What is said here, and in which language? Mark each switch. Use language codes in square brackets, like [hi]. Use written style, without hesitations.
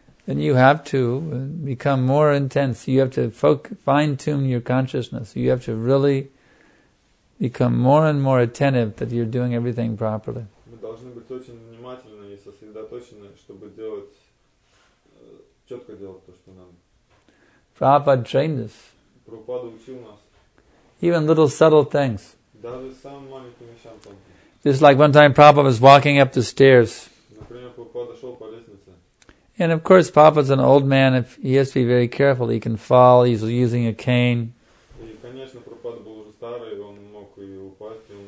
[en] then you have to become more intense. You have to fine-tune your consciousness. You have to really become more and more attentive that you're doing everything properly. [ru] Мы должны быть очень внимательны и сосредоточены, чтобы делать четко делать то, что нам. [en] Prabhupada trained us. [ru] Prabhupada учил нас. [en] Even little subtle things. [ru] Даже самые маленькие вещи. [en] This is like one time Prabhupada was walking up the stairs. [ru] Например, Prabhupada шел по лестнице. [en] And of course, Prabhupada's an old man. If he has to be very careful, he can fall. He's using a cane. [ru] И, конечно, Prabhupada был уже старый, он мог и упасть.